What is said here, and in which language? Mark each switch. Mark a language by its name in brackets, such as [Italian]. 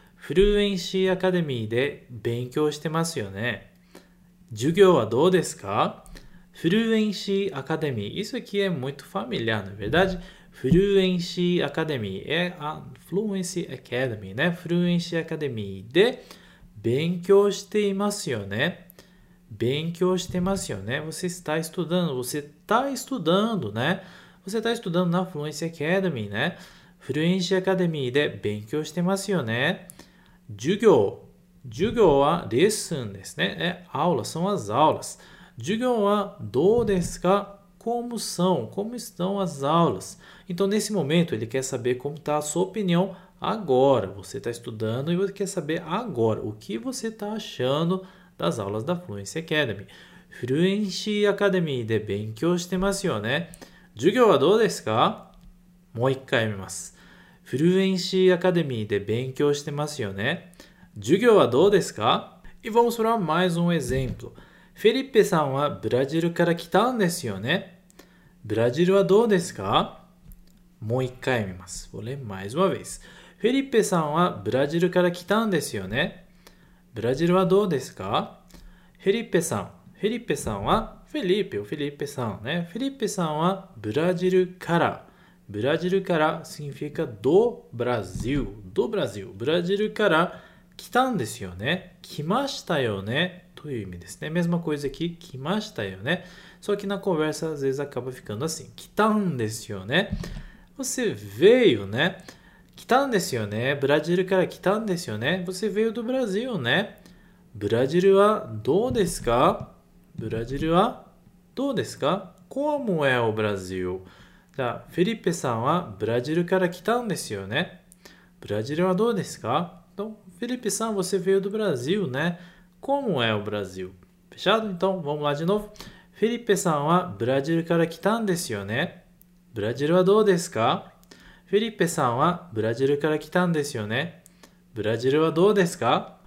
[Japanese] Fluency Academy で勉強してますよね。授業はどうですか？Fluency Academy。 [Portuguese] Isso aqui é muito familiar, não é verdade? Fluency Academy é a Fluency Academy, né? [Japanese] Fluency Academy で勉強していますよね。勉強してますよね。 [Portuguese] Você está estudando, você está estudando, né? Você está estudando na Fluency Academy, né? [Japanese] Fluency Academy で勉強してますよね。授業はレッスンですね。 [Portuguese] aula, são as aulas. [Japanese] 授業はどうですか？ [Portuguese] Como estão as aulas? Então, nesse momento, ele quer saber como está a sua opinião agora. Você está estudando e você quer saber agora o que você está achando das aulas da Fluency Academy. [Japanese] Fluency Academy で勉強してますよね。授業はどうですか？もう一回読みます。 Fluency Academy で勉強してますよね。授業はどうですか？ [Portuguese] E vamos para mais um exemplo. [Japanese] Felipe さんはブラジルから来たんですよね。ブラジルはどうですか？もう一回読みます。 [Portuguese] Vou ler mais uma vez. [Japanese] フェリペさんはブラジルから来たんですよね。ブラジルはどうですか？フェリペさんはフェリペ、フェリペさんね。フェリペさんはブラジルから。ブラジルから [Portuguese] significa do Brasil, do Brasil. [Japanese] ブラジルから来たんですよね。来ましたよね。という意味ですね。 [Portuguese] mesma coisa aqui, [Japanese] 来ましたよね。 [Portuguese] só que na conversa às vezes acaba ficando assim. [Japanese] 来たんですよね。 [Portuguese] você veio, né? [Japanese] 来たんですよね。ブラジルから来たんですよね。 [Portuguese] você veio do Brasil, né? [Japanese] ブラジルはどうですか？ブラジルはどうですか？ [Portuguese] como é o Brasil? [Japanese] じゃあ、フェリペさんはブラジルから来たんですよね。 [Portuguese] Brasil é onde está? Então, Felipe San, você veio do Brasil, né? Como é o Brasil? Fechado? Então, vamos lá de novo. [Japanese] Felipe San は、ブラジルから来たんですよね。ブラジルはどうですか？フィリッペさんはブラジルから来たんですよね。ブラジルはどうですか？